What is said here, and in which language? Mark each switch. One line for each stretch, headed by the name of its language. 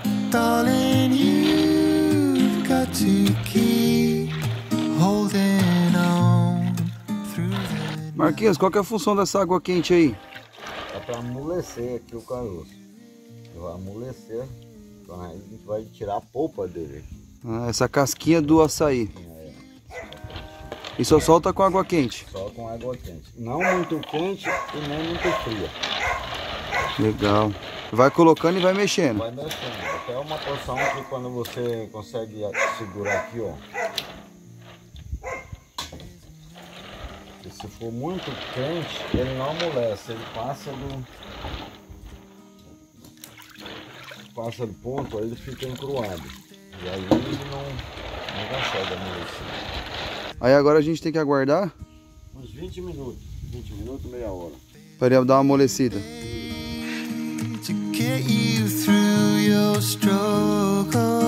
English: Darling, you've got to keep holding on through the night.
Portuguese: Marquinhos, qual que é a função dessa água quente aí? É pra amolecer aqui o caroço. Vai amolecer. Então a gente vai tirar a polpa dele aqui. Ah, essa casquinha do açaí. E só solta com água quente? Só com água quente. Não muito quente e nem muito fria. Legal. Vai colocando e vai mexendo. Vai mexendo. Até uma porção que quando você consegue segurar aqui, ó. E se for muito quente, ele não amolece. Ele passa do... passa do ponto, aí ele fica encruado. E aí ele não consegue amolecer. Aí agora a gente tem que aguardar? Uns 20 minutos. 20 minutos, meia hora. Para ele dar uma amolecida.
English: To get you through your struggles,